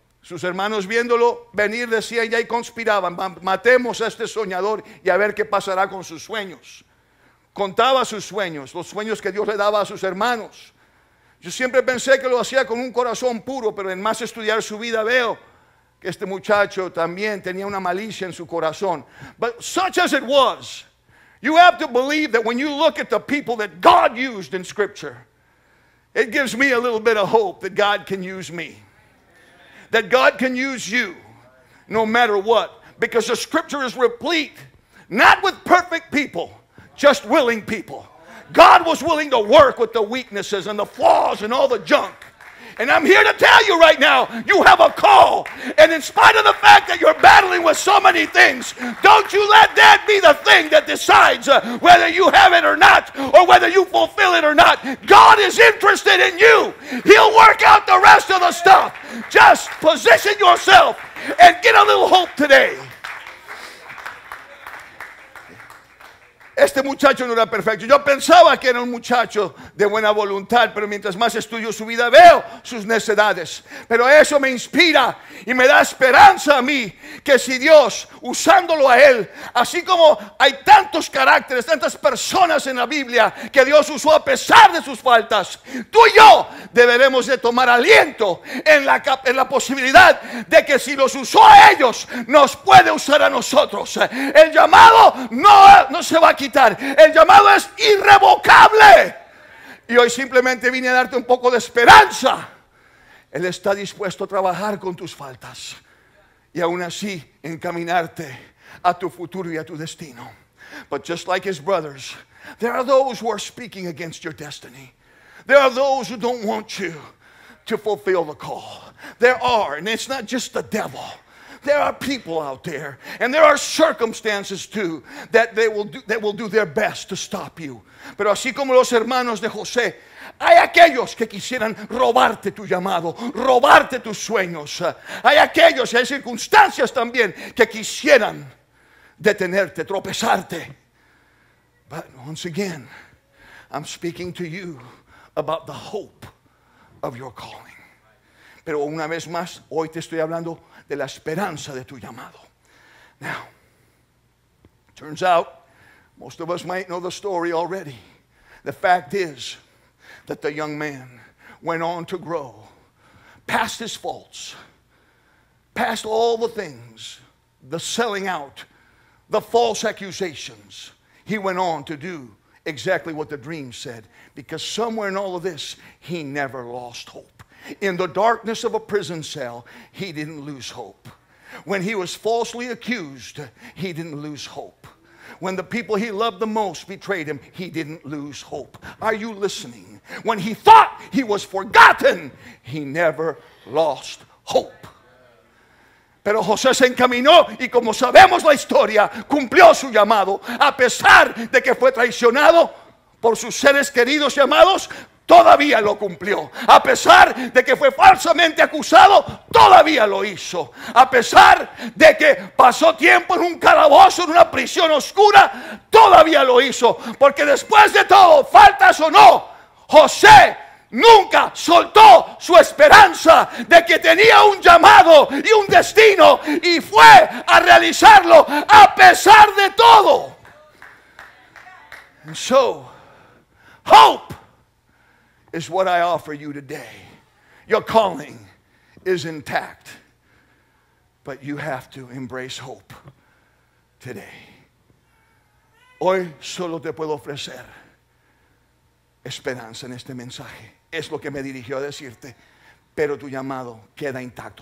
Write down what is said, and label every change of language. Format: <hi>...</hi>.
<es>Sus hermanos viéndolo venir decían ya y conspiraban. Matemos a este soñador y a ver qué pasará con sus sueños. Contaba sus sueños, los sueños que Dios le daba a sus hermanos. Yo siempre pensé que lo hacía con un corazón puro, pero en más estudiar su vida veo que este muchacho también tenía una malicia en su corazón.</es> <en>But such as it was, you have to believe that when you look at the people that God used in Scripture, it gives me a little bit of hope that God can use me. That God can use you no matter what. Because the Scripture is replete, not with perfect people, just willing people. God was willing to work with the weaknesses and the flaws and all the junk. And I'm here to tell you right now, you have a call. And in spite of the fact that you're battling with so many things, don't you let that be the thing that decides whether you have it or not, or whether you fulfill it or not. God is interested in you. He'll work out the rest of the stuff. Just position yourself and get a little hope today.</en> <es>Este muchacho no era perfecto. Yo pensaba que era un muchacho de buena voluntad, pero mientras más estudio su vida veo sus necedades. Pero eso me inspira y me da esperanza a mí, que si Dios, usándolo a él, así como hay tantos caracteres, tantas personas en la Biblia que Dios usó a pesar de sus faltas, tú y yo deberemos de tomar aliento en la posibilidad de que si los usó a ellos, nos puede usar a nosotros. El llamado no se va a quitar, el llamado es irrevocable. Y hoy simplemente vine a darte un poco de esperanza. Él está dispuesto a trabajar con tus faltas y aún así encaminarte a tu futuro y a tu destino.</es> <en>But just like his brothers, there are those who are speaking against your destiny. There are those who don't want you to fulfill the call. There are, and it's not just the devil. There are people out there, and there are circumstances too that they will do their best to stop you.</en> <es>Pero así como los hermanos de José, hay aquellos que quisieran robarte tu llamado, robarte tus sueños. Hay aquellos y hay circunstancias también que quisieran detenerte, tropezarte.</es> <en>But once again, I'm speaking to you about the hope of your calling.</en> <es>Pero una vez más, hoy te estoy hablando de la esperanza de tu llamado.</es> <en>Now, turns out, most of us might know the story already. The fact is that the young man went on to grow past his faults, past all the things, the selling out, the false accusations. He went on to do exactly what the dream said, because somewhere in all of this, he never lost hope. In the darkness of a prison cell, he didn't lose hope. When he was falsely accused, he didn't lose hope. When the people he loved the most betrayed him, he didn't lose hope. Are you listening? When he thought he was forgotten, he never lost hope.</en> <es>Pero José se encaminó y, como sabemos la historia, cumplió su llamado. A pesar de que fue traicionado por sus seres queridos y amados, todavía lo cumplió. A pesar de que fue falsamente acusado, todavía lo hizo. A pesar de que pasó tiempo en un calabozo, en una prisión oscura, todavía lo hizo. Porque después de todo, faltas o no, José nunca soltó su esperanza de que tenía un llamado y un destino, y fue a realizarlo a pesar de todo.</es> <en>And so, hope is what I offer you today. Your calling is intact, but you have to embrace hope today.</en> <es>Hoy solo te puedo ofrecer esperanza en este mensaje. Es lo que me dirigió a decirte, pero tu llamado queda intacto.</es>